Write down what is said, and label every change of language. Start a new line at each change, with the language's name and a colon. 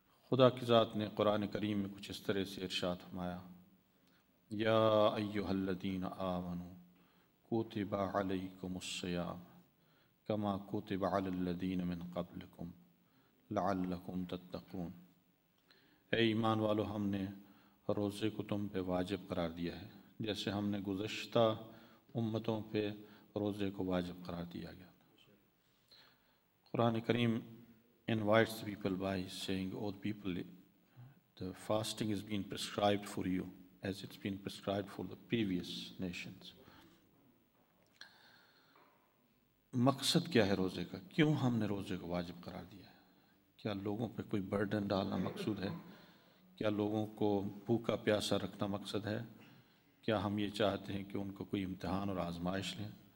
Urdu: خدا کی ذات نے قرآن کریم میں کچھ اس طرح سے ارشاد فرمایا:
Arabic: یا ایھا الذین آمنوا کتب علیکم الصیام کما کتب علی الذین من قبلکم لعلکم تتقون.
Urdu: اے ایمان والو، ہم نے روزے کو تم پہ واجب قرار دیا ہے، جیسے ہم نے گزشتہ امتوں پہ روزے کو واجب قرار دیا گیا.
English: قرآن کریم invites the people by saying, oh people, the fasting has been prescribed for you as it's been prescribed for the previous nations.
Urdu: مقصد کیا ہے روزے کا؟ کیوں ہم نے روزے کو واجب قرار دیا ہے؟ کیا لوگوں پہ کوئی برڈن ڈالنا مقصود ہے؟ کیا لوگوں کو بھوکا پیاسا رکھنا مقصد ہے؟ کیا ہم یہ چاہتے ہیں کہ ان کو کوئی امتحان اور آزمائش لیں؟